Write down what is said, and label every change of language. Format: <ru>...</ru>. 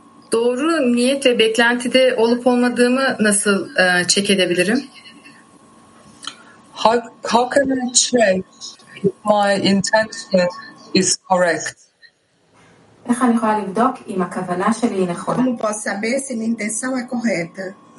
<tr>Doğru niyete, beklentide olup olmadığımı nasıl check edebilirim?</tr> <en>How can I check if my intention is correct?</en> <pt>Como posso saber se minha intenção é correta?</pt>